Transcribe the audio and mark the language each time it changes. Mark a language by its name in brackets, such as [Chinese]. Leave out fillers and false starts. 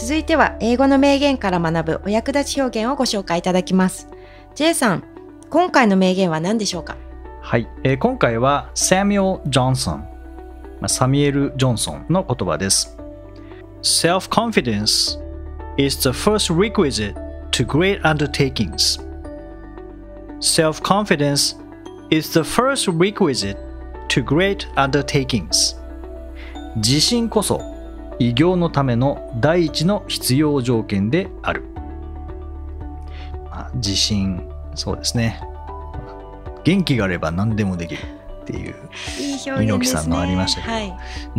[Japanese] では英語の名言から学ぶお役立ち表現をご紹介いただきます。 J さん、今回の名言は何でしょうか。はい、今回はサミュエル・ジョンソン、サミュエル・ジョンソンの言葉です。 [English] Self-confidence is the first requisite to great undertakings. Self-confidence is the first requisite to great undertakings. [Japanese] 自信こそ偉業のための第一の必要条件である、まあ、自信、そうですね、元気があれば何でもできるっていう猪木さんのありましたけど、いい、ねはい、